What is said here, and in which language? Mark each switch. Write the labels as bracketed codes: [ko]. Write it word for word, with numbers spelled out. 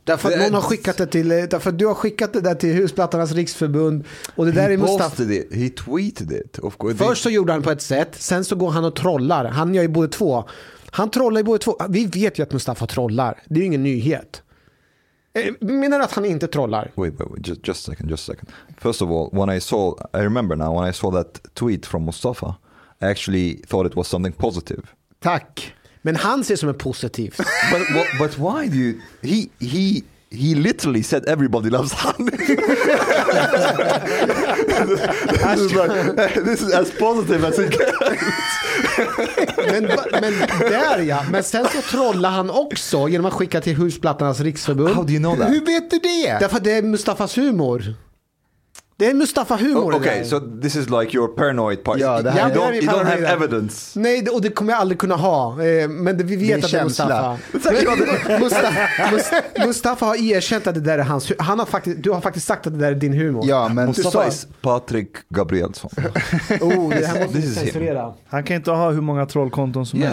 [sv] därför att någon har skickat det till, därför att du har skickat det där till Husplattarnas riksförbund, och det där [en] he [sv] är Mustafa. [en] He tweeted it. Of course. [sv] Först så gjorde han på ett sätt, sen så går han och trollar. Han gör ju både två. Han trollar ju både två. Vi vet ju att Mustafa trollar. Det är ju ingen nyhet. Menar du att han inte trollar? [en] Wait, wait, wait. Just, just a second, just a second. First of all, when I saw, I remember now when I saw that tweet from Mustafa, I actually thought it was something positive. [sv] Tack. Men han ser som en positiv. [en] But, but why do you, he he he literally said everybody loves Han. This is like, this is as positive as it gets. [sv] men, men där ja, men sen så trollar han också genom att skicka till Husplattarnas riksförbund. [en] How do you know that? [sv] Hur vet du det? Därför att det är Mustafas humor. Det är Mustafa humor. [en] Okej, okay, so this is like your paranoid part. [sv] Ja, det här, [en] you don't, you don't have evidence. [sv] Nej, och det kommer jag aldrig kunna ha. Men det, vi vet det att det är Mustafa. Mustafa, Mustafa. Mustafa har erkänt att det där är hans. Han har faktiskt, du har faktiskt sagt att det där är din humor. Ja, men Mustafa är Patrik Gabrielsson. Oh, det här måste vi censurera. Han kan inte ha hur många trollkonton som helst.